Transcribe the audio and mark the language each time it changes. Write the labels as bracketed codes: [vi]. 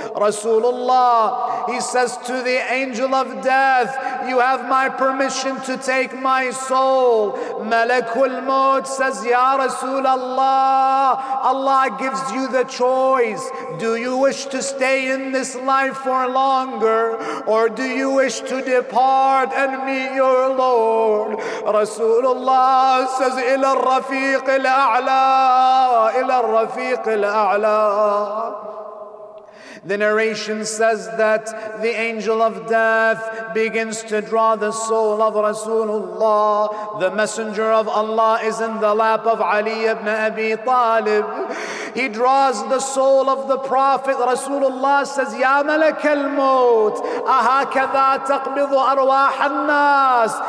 [en] Rasulullah, he says to the angel of death, you have my permission to take my soul. Malakul Maut says, Ya Rasulullah, Allah gives you the choice. Do you wish to stay in this life for longer, or do you wish to depart and meet your Lord? Rasulullah says, [ar] إلى الرفيق الأعلى, إلى الرفيق الأعلى. [en] The narration says that the angel of death begins to draw the soul of Rasulullah. The messenger of Allah is in the lap of Ali ibn Abi Talib. He draws the soul of the Prophet. Rasulullah says, [ar] Ya Malak al-Maut, ahakadha taqbidhu arwah al-nas?